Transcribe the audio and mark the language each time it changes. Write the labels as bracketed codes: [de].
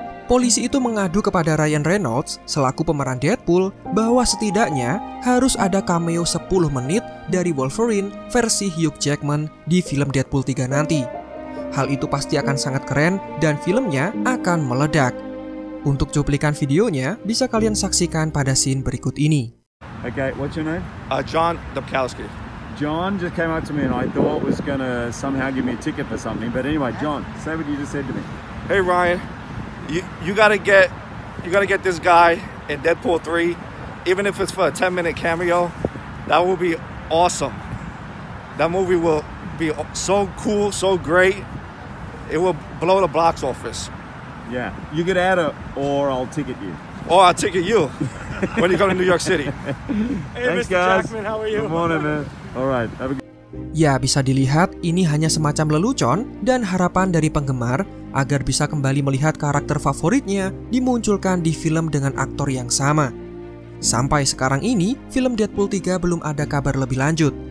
[id] Polisi itu mengadu kepada Ryan Reynolds, selaku pemeran Deadpool, bahwa setidaknya harus ada cameo 10 menit dari Wolverine versi Hugh Jackman di film Deadpool 3 nanti. Hal itu pasti akan sangat keren dan filmnya akan meledak. Untuk cuplikan videonya, bisa kalian saksikan pada scene berikut ini. [en] Okay, what's your name? John Dabkowski. John just came up to me and I thought was gonna somehow give me a ticket for something. But anyway, John, say what you just said to me. Hey Ryan, you gotta get this guy in Deadpool 3, even if it's for a 10-minute cameo. That will be awesome. That movie will be so cool, so great. It will blow the box office. Yeah, you get out of, or I'll ticket you. Or I'll ticket you. When you go to New York City. Hey, thanks, Mr. guys. Jackman, how are you? Good morning, man. All right. Have a good. [id] Ya, bisa dilihat ini hanya semacam lelucon dan harapan dari penggemar agar bisa kembali melihat karakter favoritnya dimunculkan di film dengan aktor yang sama. Sampai sekarang ini, film Deadpool 3 belum ada kabar lebih lanjut.